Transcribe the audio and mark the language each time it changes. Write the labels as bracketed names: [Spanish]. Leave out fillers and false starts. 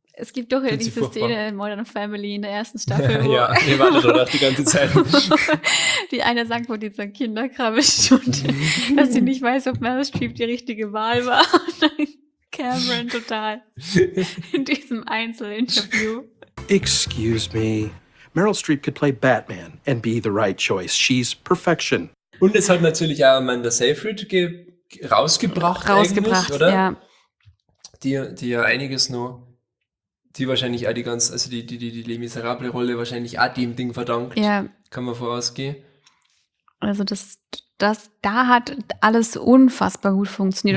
[German] Es gibt doch diese Szene in Modern Family in der ersten Staffel. Ja, wir warten doch noch die ganze Zeit. Die eine sagt, wo die so Kinderkrabbe stund, dass sie nicht weiß, ob Meryl Streep die richtige Wahl war. Und dann Cameron total in diesem Einzelinterview. [English] Excuse me. Meryl Streep could play Batman and be the right choice. She's perfection. [German] Und es hat natürlich auch Amanda Seyfried rausgebracht, oder? Ja. Die ja einiges nur. Die wahrscheinlich auch die ganz, also die Les Miserables Rolle wahrscheinlich auch dem Ding verdankt. Ja. Kann man vorausgehen. Also da hat alles unfassbar gut funktioniert.